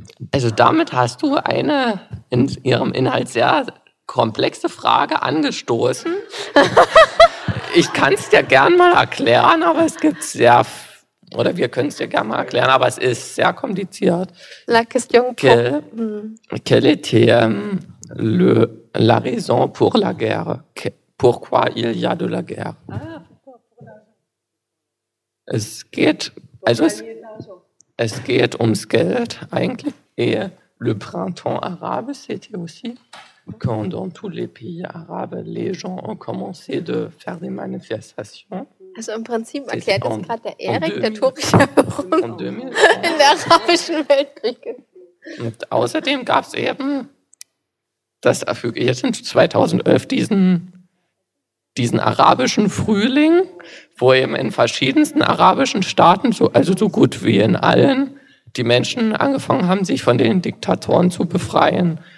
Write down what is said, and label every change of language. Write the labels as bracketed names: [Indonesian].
[German] Also damit hast du eine in ihrem Inhalt sehr komplexe Frage angestoßen. Ich kann es dir gern mal erklären, aber es gibt sehr, oder wir können es dir gern mal erklären, aber es ist sehr kompliziert. [French] La question quelle était la raison pour la guerre? Pourquoi il y a de la guerre? [German] Es geht, also es geht ums Geld eigentlich. [French] Et le printemps arabe, c'était aussi quand dans tous les pays arabes, les gens ont commencé de faire des manifestations. [German] Also im Prinzip erklärt das gerade der Erik, der türkische in der arabischen Weltkriege. Und außerdem gab es eben, das erfüge ich jetzt in 2011, diesen arabischen Frühling, wo eben in verschiedensten arabischen Staaten, also so gut wie in allen, die Menschen angefangen haben, sich von den Diktatoren zu befreien.